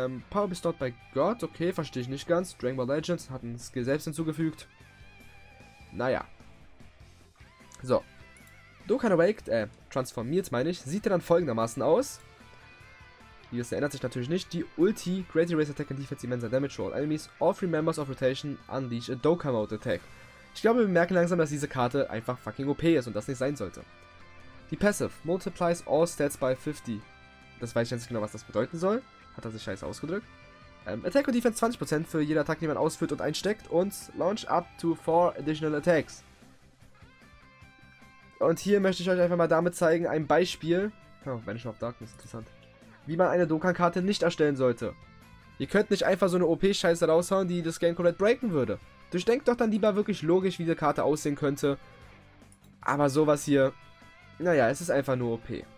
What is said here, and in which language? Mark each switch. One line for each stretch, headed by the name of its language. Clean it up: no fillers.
German: Power Bestowed by God, okay, verstehe ich nicht ganz. Dragon Ball Legends hat einen Skill selbst hinzugefügt. Naja. So, Dokkan Awaked, transformiert meine ich, sieht dann folgendermaßen aus. Hier erinnert sich natürlich nicht. Die Ulti,
English: Great Erase Attack and Defense immenser Damage to all enemies. All three members of Rotation unleash a Dokkan Mode Attack.
German: Ich glaube, wir merken langsam, dass diese Karte einfach fucking OP ist und das nicht sein sollte.
English: Die Passive, multiplies all stats by 50.
German: Das weiß ich jetzt nicht genau, was das bedeuten soll. Hat er sich scheiße ausgedrückt. Attack und Defense 20% für jede Attack, die man ausführt und einsteckt. Und
English: launch up to 4 additional attacks.
German: Und hier möchte ich euch einfach mal damit zeigen, ein Beispiel, oh, Vanish of Darkness, interessant, wie man eine Dokkan-Karte nicht erstellen sollte. Ihr könnt nicht einfach so eine OP-Scheiße raushauen, die das Game komplett breaken würde. Durchdenkt doch dann lieber wirklich logisch, wie die Karte aussehen könnte. Aber sowas hier, naja, es ist einfach nur OP.